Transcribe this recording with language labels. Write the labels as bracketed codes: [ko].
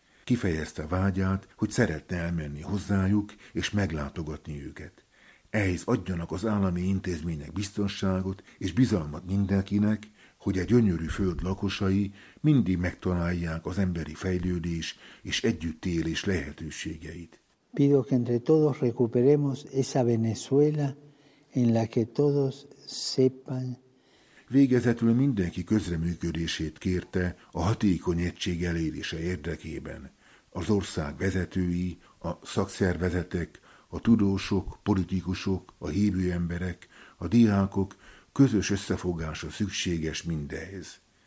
[hu] Kifejezte vágyát, hogy szeretne elmenni hozzájuk és meglátogatni őket. Ehhez adjanak az állami intézmények biztonságot és bizalmat mindenkinek, hogy a gyönyörű föld lakosai mindig megtalálják az emberi fejlődés és együttélés lehetőségeit. [es] Pido que entre todos recuperemos esa Venezuela en la que todos sepan. [hu] Végezetül mindenki közreműködését kérte a hatékony egység elérése érdekében. Az ország vezetői, a szakszervezetek, a tudósok, politikusok, a hívő emberek, a diákok, közös összefogása szükséges mindehhez.